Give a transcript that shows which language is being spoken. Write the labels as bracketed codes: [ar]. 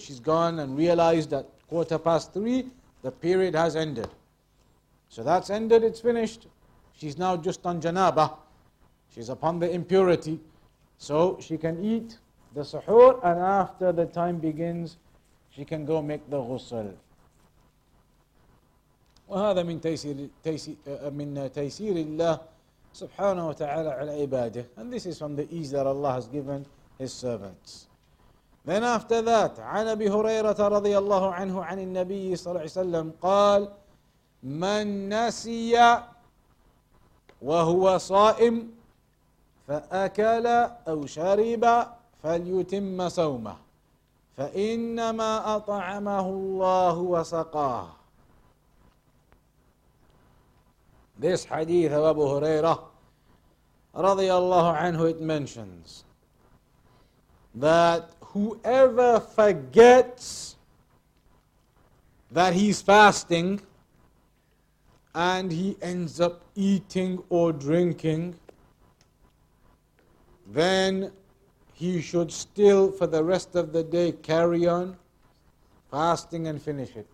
[en] She's gone and realized that quarter past three, the period has ended. So that's ended, it's finished. She's now just on janabah. She's upon the impurity. So she can eat the suhoor, and after the time begins, she can go make the ghusl. [ar] وهذا من تيسير من تيسير الله سبحانه وتعالى على عباده. [en] And this is from the ease that Allah has given His servants. Then after that, [ar] عن أبي هريرة رضي الله عنه عن النبي صلى الله عليه وسلم قال من نسي وهو صائم فأكل أو شرب فليتم صومه فإنما أطعمه الله وسقاه. [en] This hadith of [ar] أبو هريرة رضي الله عنه, [en] it mentions that whoever forgets that he's fasting and he ends up eating or drinking, then he should still for the rest of the day carry on fasting and finish it.